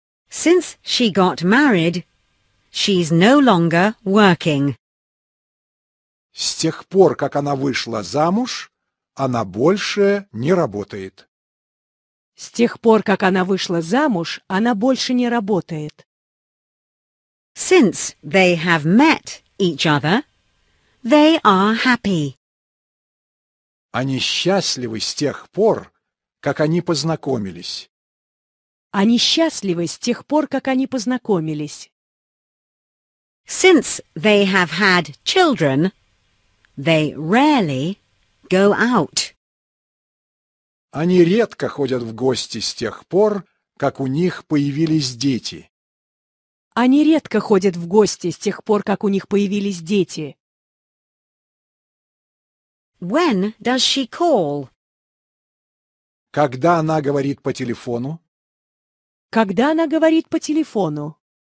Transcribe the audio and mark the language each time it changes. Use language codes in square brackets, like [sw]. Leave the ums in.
[en] Since she got married, She's no longer working. [ru] С тех пор, как она вышла замуж, она больше не работает. С тех пор, как она вышла замуж, она больше не работает. [en] Since they have met each other, they are happy. [ru] Они счастливы с тех пор, как они познакомились. Они счастливы с тех пор, как они познакомились. [en] Since they have had children, they rarely go out. [ru] Они редко ходят в гости с тех пор, как у них появились дети. Они редко ходят в гости с тех пор, как у них появились дети. [en] When does she call? [ru] Когда она говорит по телефону? Когда она говорит по телефону?